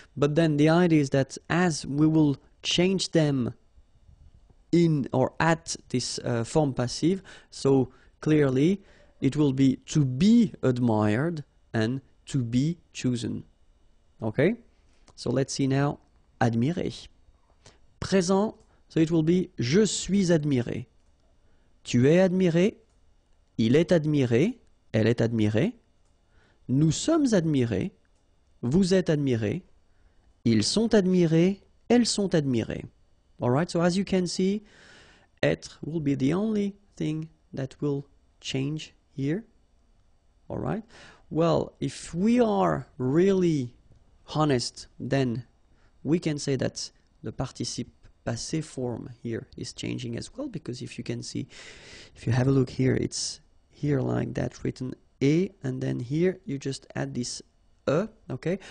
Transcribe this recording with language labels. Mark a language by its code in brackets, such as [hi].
[en] But then the idea is that as we will change them in or at this form passive, so clearly it will be to be admired and to be chosen, okay? So let's see now, admirer. [fr] Présent, [en] so it will be [fr] je suis admiré. Tu es admiré, il est admiré, elle est admirée. Nous sommes admirés, vous êtes admirés, ils sont admirés, elles sont admirées. [en] All right, so as you can see, être will be the only thing that will change here. All right, well, if we are really honest, then we can say that the participe passé form here is changing as well, because if you can see, if you have a look here, it's here like that written. And then here you just add this a, okay?